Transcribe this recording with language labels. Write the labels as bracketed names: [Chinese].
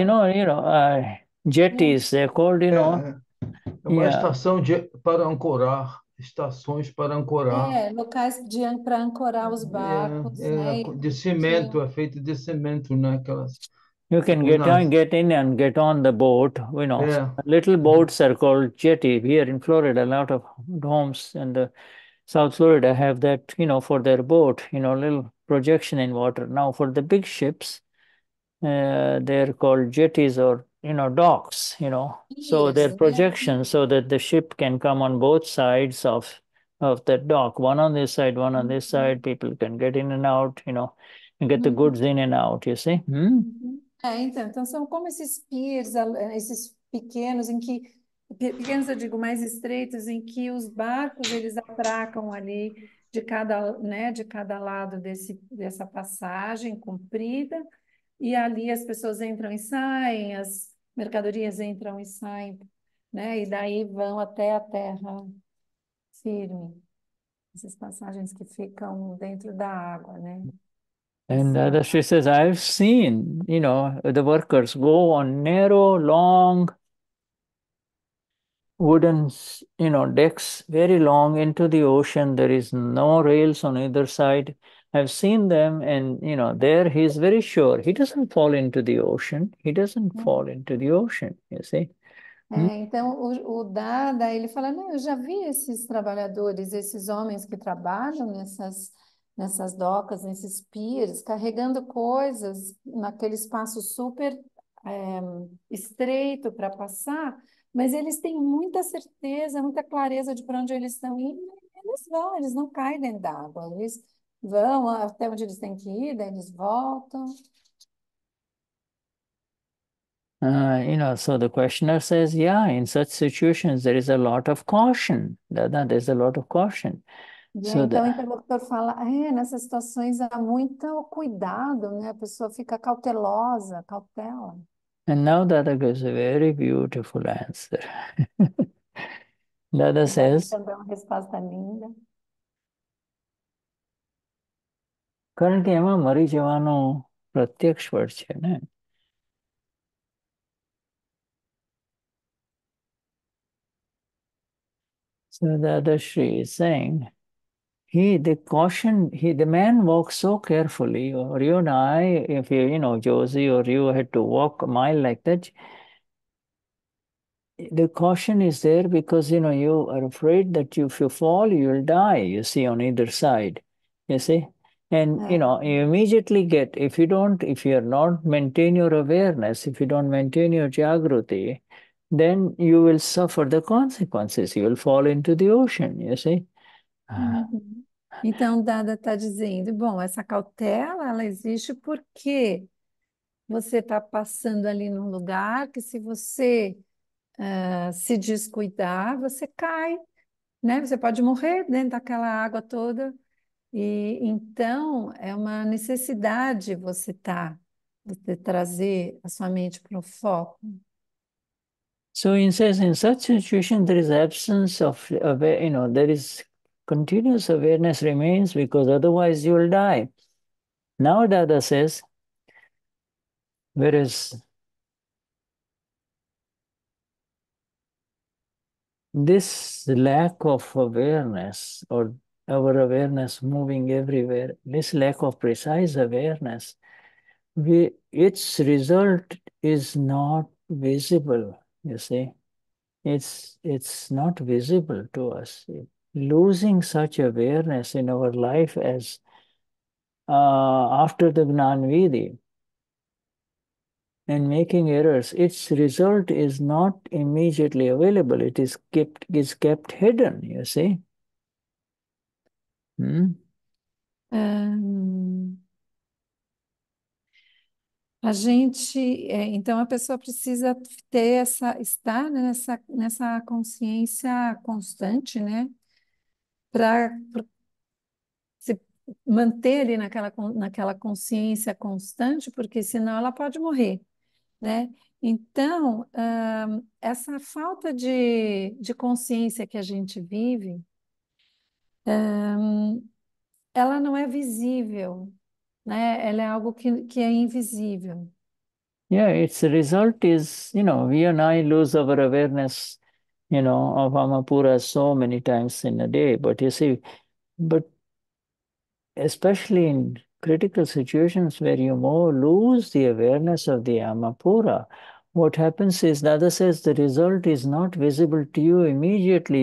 [Portuguese] Antônio? [English] jetties, they're called, [Portuguese] Uma estação para ancorar, estações para ancorar. Locais para ancorar os barcos, né? De cimento, é feito de cimento, né? Aquelas [English] You can [Portuguese] O [English] get in and get on the boat. You know, [Portuguese] é. [English] little boats are called jetty here in Florida. A lot of homes in the South Florida have that, you know, for their boat, you know, little projection in water. Now, for the big ships, they're called jetties or, you know, docks, you know, so they're [Portuguese] Isso, [English] projection so that the ship can come on both sides of that dock, one on this side, one on this side. People can get in and out, you know, and get the goods in and out, you see. [Portuguese] Então são como esses piers, esses pequenos, em que pequenos, eu digo, mais estreitos, em que os barcos eles atracam ali de cada, né, de cada lado dessa passagem comprida, e ali as pessoas entram e saem, as mercadorias entram e saem, né? E daí vão até a terra firme. Essas passagens que ficam dentro da água, né? [English] And [Portuguese] Assim. [English] she says, I've seen, you know, the workers go on narrow, long wooden, you know, decks, very long into the ocean. There is no rails on either side. I've seen them, and, you know, there he's very sure he doesn't fall into the ocean. He doesn't fall into the ocean, you see. [Portuguese] É, então o Dada, ele fala, não, eu já vi esses trabalhadores, esses homens que trabalham nessas docas, nesses piers, carregando coisas naquele espaço super estreito para passar, mas eles têm muita certeza, muita clareza de para onde eles estão indo. Eles vão, eles não caem dentro d'água, eles vão até onde eles têm que ir, daí eles voltam. [English] You know, so the questioner says, yeah, in such situations, there is a lot of caution. There's a lot of caution. [Portuguese] E aí, [English] So [Portuguese] então, o [English] the. [Portuguese] interlocutor fala, nessas situações há muito cuidado, né? A pessoa fica cautelosa, cautela. [English] And now Dada gives a very beautiful answer. Dada [Portuguese] E daí, [English] says, [Portuguese] então, dá uma resposta linda. currently, I'm a Marijuana Pratyaksh Varchana. [English] So the other Shri is saying, he, the caution, he, the man walks so carefully, or you and I, if you, you know, Josie, or you had to walk a mile like that, the caution is there because, you know, you are afraid that if you fall, you'll die, you see, on either side, you see. And, you know, you immediately get, if you don't, if you are not maintain your awareness, if you don't maintain your Jagruti, then you will suffer the consequences. You will fall into the ocean, you see. [Portuguese] Então, Dada está dizendo, bom, essa cautela, ela existe porque você está passando ali num lugar que, se você se descuidar, você cai, né? Você pode morrer dentro daquela água toda. E então é uma necessidade você trazer a sua mente para o foco. [English] So he says, in such situation, there is absence of, you know, there is continuous awareness remains because otherwise you will die. Now Dada says, whereas this lack of awareness or our awareness moving everywhere, this lack of precise awareness, its result is not visible. You see, it's not visible to us. Losing such awareness in our life as after the Gnanvidhi and making errors, its result is not immediately available. It is kept hidden, you see. [Portuguese] A gente, então a pessoa precisa ter estar nessa consciência constante, né? Para se manter ali naquela consciência constante, porque senão ela pode morrer, né? Então, essa falta de consciência que a gente vive, ela não é visível, né? Ela é algo que é invisível. [English] Yeah, its result is, you know, we and I lose our awareness, you know, of Amapura so many times in a day. But you see, but especially in critical situations where you more lose the awareness of the Amapura, what happens is, Dada says, the result is not visible to you immediately.